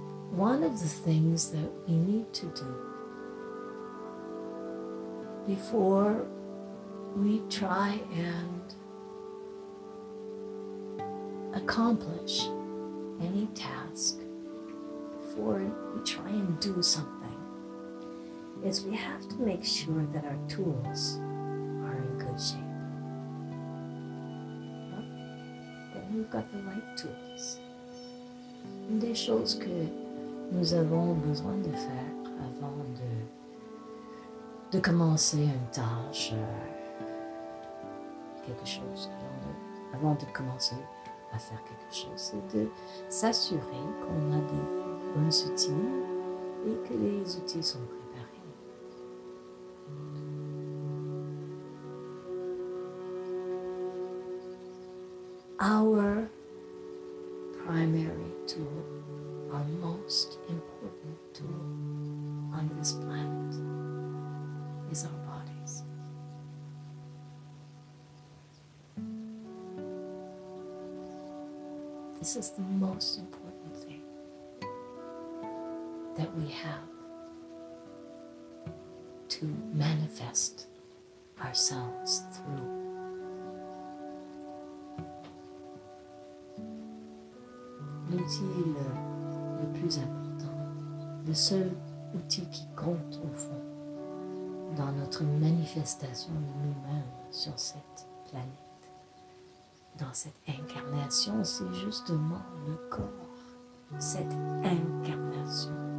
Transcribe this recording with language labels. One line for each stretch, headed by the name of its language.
English: One of the things that we need to do before we try and accomplish any task, before we try and do something, is we have to make sure that our tools are in good shape. That we've got the right tools. And
French: des choses que nous avons besoin de faire avant de commencer une tâche, quelque chose, avant de commencer à faire quelque chose, c'est de s'assurer qu'on a des bons outils et que les outils sont préparés.
English: our primary tool, our most important tool on this planet, is our bodies. This is the most important thing that we have to manifest ourselves through.
French: L'outil est le plus important, le seul outil qui compte au fond dans notre manifestation de nous-mêmes sur cette planète, dans cette incarnation, c'est justement le corps, cette incarnation.